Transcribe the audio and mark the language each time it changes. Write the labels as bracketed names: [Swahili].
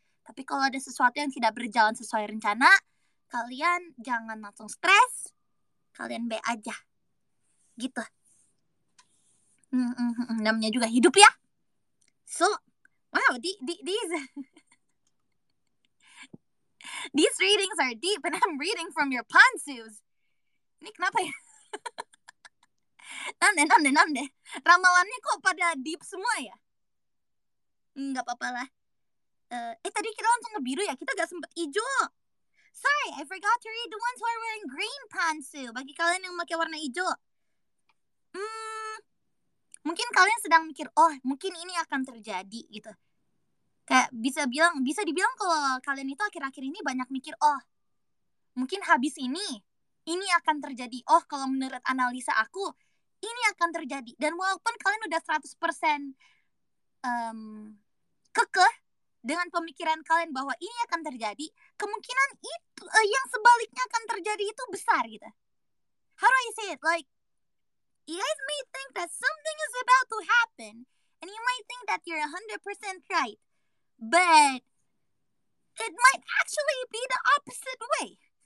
[Indonesian] Tapi kalau ada sesuatu yang tidak berjalan sesuai rencana, kalian jangan langsung stres, kalian B aja. Gitu. Namanya juga hidup ya. [English] So, wow, these readings are deep and I'm reading from your pansus. [Indonesian] Ini kenapa ya? [Japanese] Nande. [Indonesian] Ramalannya kok pada deep semua ya? Gak apa-apa lah. Tadi kita langsung ke biru ya? Kita gak sempet hijau. [English] Sorry, I forgot to read the ones who are wearing green pantsu. [Indonesian] Bagi kalian yang pakai warna hijau. Mungkin kalian sedang mikir, oh, mungkin ini akan terjadi gitu. Kayak bisa dibilang kalau kalian itu akhir-akhir ini banyak mikir, oh, mungkin habis ini, ini akan terjadi. Oh, kalau menurut analisa aku, ini akan terjadi. Dan walaupun kalian udah 100% kekeh dengan pemikiran kalian bahwa ini akan terjadi, kemungkinan itu yang sebaliknya akan terjadi itu besar gitu. [English] How do I say it? Like, you guys may think that something is about to happen and you might think that you're 100% right. But it might actually be the opposite way.